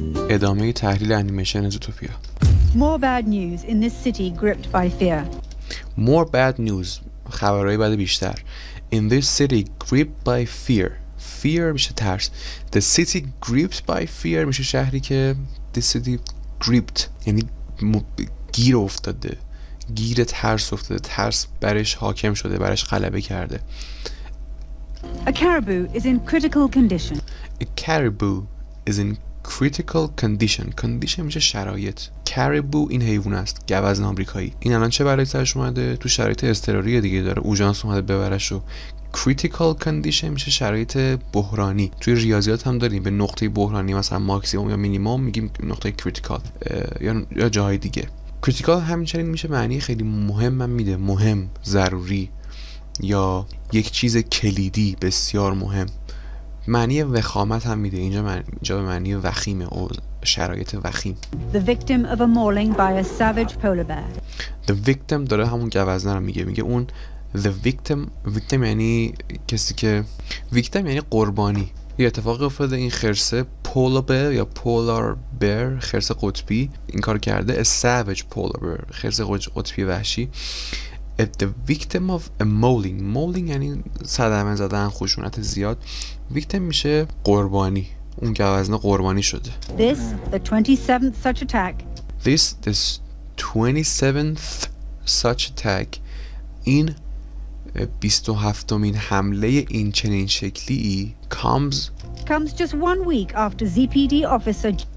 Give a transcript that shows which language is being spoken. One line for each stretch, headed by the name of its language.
Persian: ادامه تحلیل انیمیشن زوتوپیا.
English: More bad news in this city gripped by fear. More bad news.
Persian: خبرهای بد بیشتر.
English: In this city gripped by fear.
Persian: Fear میشه ترس.
English: The city gripped by fear
Persian: میشه شهری که
English: the city gripped
Persian: یعنی گیر افتاده. گیر ترس افتاده. ترس برش حاکم شده، برش غلبه کرده.
English: A caribou is in critical condition. A caribou is in critical condition.
Persian: Condition میشه شرایط. کاریبو این حیوان است، گوزن آمریکایی. این الان چه برای سرش اومده؟ تو شرایط اضطراری دیگه داره. اوژانس اومده ببرش رو. Critical condition میشه شرایط بحرانی. توی ریاضیات هم داریم به نقطه بحرانی مثلا ماکسیموم یا مینیموم میگیم نقطه critical یا جاهای دیگه. Critical همچنین میشه معنی خیلی مهم هم میده. مهم، ضروری یا یک چیز کلیدی، بسیار مهم. معنی وخامت هم میده. اینجا به معنی وخیمه، او شرایط وخیم.
English: The victim of a mauling by a savage polar bear.
Persian: The victim داره همون گوزنه رو میگه. میگه اون the victim. Victim یعنی کسی که، victim یعنی قربانی. یه اتفاقی افتاده، این خرس polar bear یا polar bear، خرس قطبی این کار کرده.
English: A savage polar bear،
Persian: خرس قطبی وحشی. If the victim of a mauling. Mauling یعنی صدمه زدن، خشونت زیاد. Victim میشه قربانی. اون گوزنه قربانی شده.
English: This the 27th such attack. This 27th such attack.
Persian: این 27th حمله این چنین شکلی comes
English: just 1 week after ZPD officer